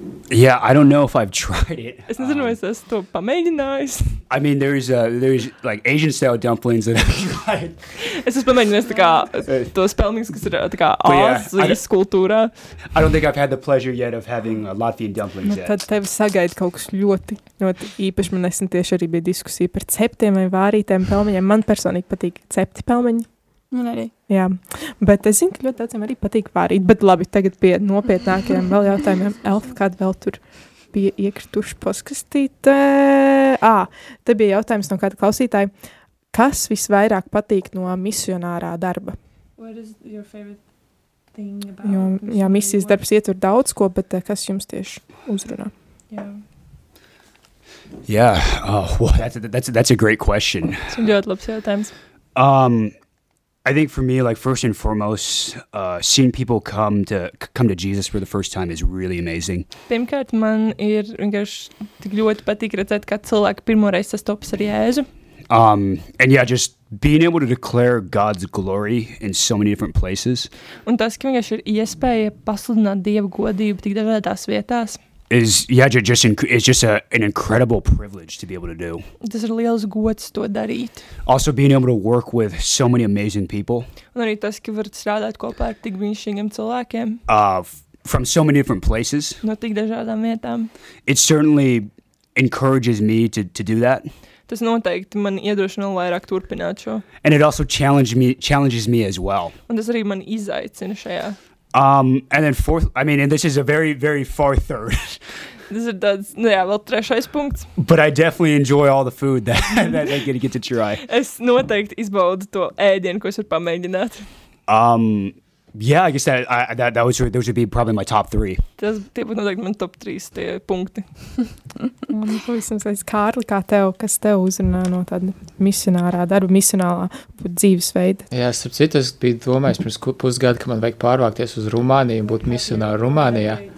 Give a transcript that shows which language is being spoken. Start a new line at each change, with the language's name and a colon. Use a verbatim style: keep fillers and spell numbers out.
English: Yeah, I don't know if I've tried it.
Latvian: Es nezinu, vai es esmu to pamēģinājis.
English: I mean, there's, uh, there's like Asian-style dumplings that I've tried.
Latvian: Es esmu pamēģinājis tā kā tos pelmeņus, kas ir tā kā Āzijas kultūrā.
English: I don't think I've had the pleasure yet of having uh, Latvian dumplings yet.
Latvian: Tad tevi sagaida kaut kas ļoti, ļoti īpaši. Man nesen tieši arī bija diskusija par ceptiem vai vārītiem pelmeņiem. Man personīgi patīk cepti pelmeņi. Man arī. Jā, bet es zinu, ka ļoti daudziem arī patīk vārīt, bet labi, tagad pie nopietnākajiem vēl jautājumiem. Elfa, kāda vēl tur bija iekrituši paskastīt? Ā, te bija jautājums no kāda klausītāja. Kas visvairāk patīk no misionārā darba?
English: What is your favorite thing about
Latvian: jo, jā, misijas darbs ietver daudz ko, bet kas jums tieši uzrunā? Jā.
English: Yeah, oh, well, that's a, that's a, that's a great question.
Latvian: Ļoti labs jautājums.
English: Um, I think for me, like first and foremost, uh, seeing people come to come to Jesus for the first time is really amazing.
Latvian: Pirmkārt, man ir vienkārši tik ļoti patīk redzēt, kā cilvēki pirmoreiz sastopas ar Jēzu.
English: Um, and yeah, just being able to declare God's glory in so many different places.
Latvian: Un tas, ka vienkārši ir iespēja pasludināt Dieva godību tik dažādās vietās.
English: Is yeah, just it's just a, an incredible privilege to be able to do.
Latvian: Tas ir liels gods to darīt.
English: Also being able to work with so many amazing people.
Latvian: Un arī tas, ka var strādāt kopā ar tik brīnišķīgiem cilvēkiem.
English: Uh, from so many different places.
Latvian: No tik dažādām vietām.
English: It certainly encourages me to to do that.
Latvian: Tas noteikti man iedrošina vairāk turpināt šo.
English: And it also challenges me challenges me as well.
Latvian: Un tas arī man izaicina šajā.
English: Um, and then fourth, I mean, and this is a very, very far third. This is that's, yeah, well,
Latvian: trešais punkts.
English: But I definitely enjoy all the food that that I get to get to try.
Latvian: Es noteikti izbaudu to ēdienu, ko es varu pamēģināt.
English: Um, yeah, I guess that I, that that was those would be probably my top three.
Latvian: Tas tie būtu noteikti man top trīs tie punkti. Un pavisam saiz Kārli, kā tev, kas tev uzrunā no tāda misionārā darba, misionālā dzīvesveida? Jā, starp citu, es biju domājis pirms pusgada, ka man vajag pārvākties uz Rumāniju un būt misionāru Rumānijā.